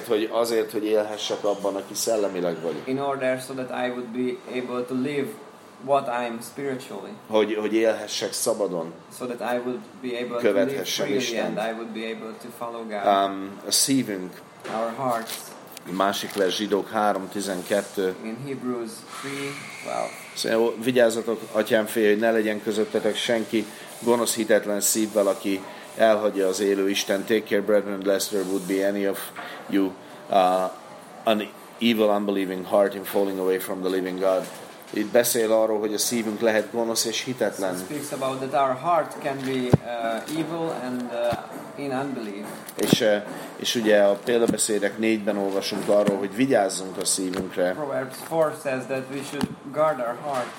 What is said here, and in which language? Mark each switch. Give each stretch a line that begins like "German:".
Hungarian: Azért, hogy élhessek abban, aki szellemileg vagyok.
English: In order so that I would be able to live what I am spiritually.
Hungarian: Hogy élhessek szabadon.
English: So that I would be able to live freely and I would be able to follow God.
Hungarian: A szívünk.
English: Our hearts.
Hungarian: Másik lesz Zsidók 3:12.
English: In Hebrews 3:12. Wow.
Hungarian: Vigyázzatok, atyám fél, hogy ne legyen közöttetek senki gonosz hitetlen szívvel, aki elhagyja az élő Isten.
English: Take care, brethren, lest there would be any of you an evil, unbelieving heart in falling away from the living God.
Hungarian: Itt beszél arról, hogy a szívünk lehet gonosz és hitetlen.
English: So it speaks about that our heart can be evil and in unbelief.
Hungarian: És ugye a példabeszédek 4-ben olvasunk arról, hogy vigyázzunk a szívünkre.
English: Proverbs 4 says that we should guard our hearts.